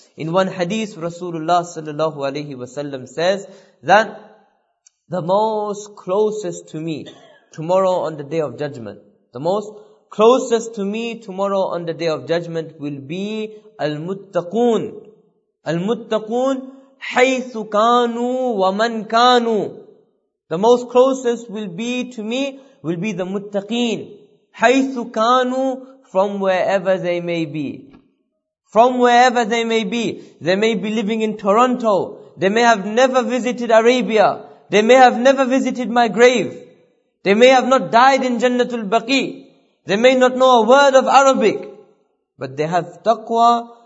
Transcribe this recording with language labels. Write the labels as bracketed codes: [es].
[en] In one hadith, Rasulullah sallallahu alayhi wa sallam says that the most closest to me tomorrow on the Day of Judgment, the most closest to me tomorrow on the Day of Judgment will be Al-Muttaqoon. [ar] Al-Muttaqoon, حَيْثُ كَانُوا وَمَنْ كَانُوا. [en] The most closest will be to me, will be the Muttaqeen. [ar] حَيْثُ كَانُوا, [en] from wherever they may be. From wherever they may be. They may be living in Toronto. They may have never visited Arabia. They may have never visited my grave. They may have not died in Jannatul Baqi. They may not know a word of Arabic, but they have taqwa.